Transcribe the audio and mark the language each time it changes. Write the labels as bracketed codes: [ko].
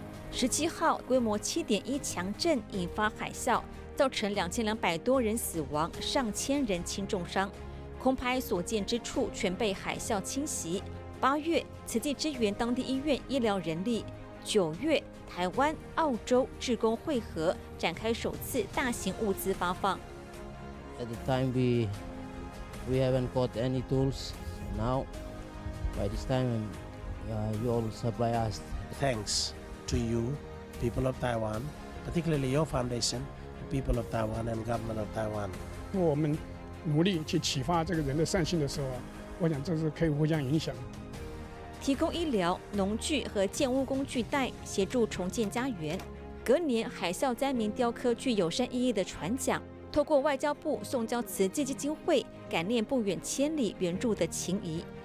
[zh] 17号，规模7.1强震引发海啸，造成2200多人死亡，上千人轻重伤。空拍所见之处全被海啸侵袭。8月，慈济支援当地医院医疗人力。 9月，台湾、澳洲志工会合，展开首次大型物资发放。 [en] At the time we haven't got any tools. Now, by this time, you all supply us. Thanks to you, people of Taiwan, particularly your foundation, people of Taiwan and government of Taiwan. [zh] 我们努力去启发这个人的善心的时候，我想这是可以互相影响。提供医疗、农具和建屋工具袋，协助重建家园。隔年，海啸灾民雕刻具有善意义的船桨，透过外交部送交慈济基金会，感念不远千里援助的情谊。